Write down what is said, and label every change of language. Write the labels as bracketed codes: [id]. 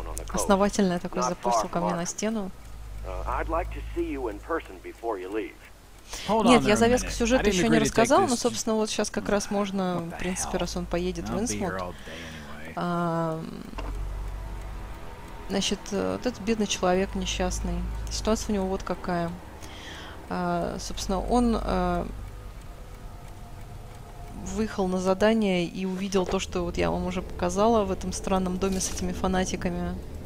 [ru] Основательное такое запустил ко мне на стену. [en] I'd like to see you in person before you leave. [ru] Нет, я завязку сюжета еще не рассказал, но, собственно, вот сейчас как раз можно, в принципе, раз он поедет в Инсмут. Значит, вот этот бедный человек несчастный. Ситуация у него вот какая. Собственно, он выехал на задание и увидел то, что вот я вам уже показала в этом странном доме с этими фанатиками.